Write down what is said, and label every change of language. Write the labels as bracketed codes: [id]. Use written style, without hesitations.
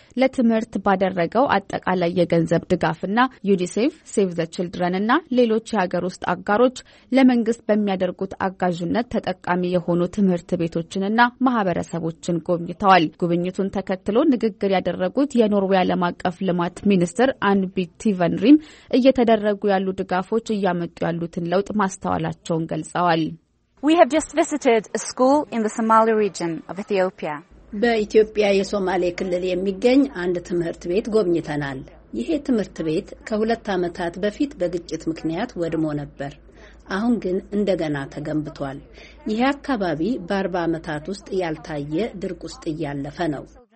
[am] ለትምህርት ባደረገው አጠቃላይ የገንዘብ ድጋፍና ዩኒሴፍ፣ ሴቭ ዘ ችልድረን እና ሌሎች የሀገር ውስጥ አጋሮች ለመንግስት በሚያደርጉት አጋዥነት ተጠቃሚ የሆኑ ትምህርት ቤቶችንና ማህበረሰቦችን ጎብኝተዋል። ጉብኝቱን ተከትሎ ንግግር ያደረጉት የኖርዌይ ዓለም አቀፍ ልማት ሚኒስትር አንቢ ቲቨንሪም እየተደረጉ ያሉ ድጋፎች እያመጡ ያሉትን ለውጥ ማስተዋላቸውን ገልጸዋል። [en] We have just visited a school in the Somali region of Ethiopia. [am] በኢትዮጵያ የሶማሌ ክልል የሚገኝ አንድ ትምህርት ቤት ጎብኝተናል። ይሄ ትምህርት ቤት ከሁለት ዓመታት በፊት በግጭት ምክንያት ወድሞ ነበር። አሁን ግን እንደገና ተገንብቷል። ይሄ አካባቢ በ40 ዓመታት ውስጥ ያልታየ ድርቅ ውስጥ ያለፈ ነው።